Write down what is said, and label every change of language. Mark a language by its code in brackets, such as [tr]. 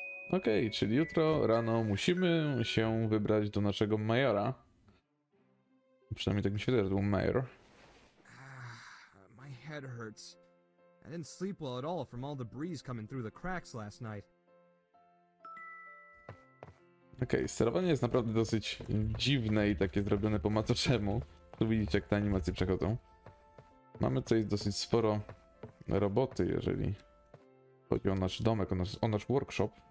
[pl] Okej, okay, czyli jutro rano musimy się wybrać do naszego majora. Przynajmniej tak mi się wydarzył major. [en] My head hurts. I didn't sleep well at all from all the breeze coming through the cracks last night. [pl] Okej, okay, sterowanie jest naprawdę dosyć dziwne i takie zrobione po macoszemu. Tu widzicie, jak te animacje przechodzą. Mamy tutaj dosyć sporo roboty, jeżeli chodzi o nasz domek, o nasz workshop.